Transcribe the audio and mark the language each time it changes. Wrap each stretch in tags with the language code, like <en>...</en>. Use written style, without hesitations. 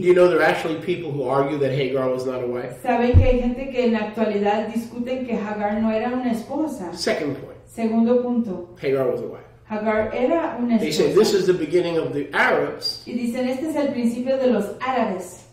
<en>Do you know there are actually people who argue that Hagar was not a wife?</en> <es>Saben que hay gente que en la actualidad discuten que Hagar no era una esposa.</es> <en>Second point.</en> <es>Segundo punto.</es> <en>Hagar was a wife.</en> <es>Hagar era una esposa.</es> <en>They say this is the beginning of the Arabs.</en> <es>Y dicen este es el principio de los árabes.</es>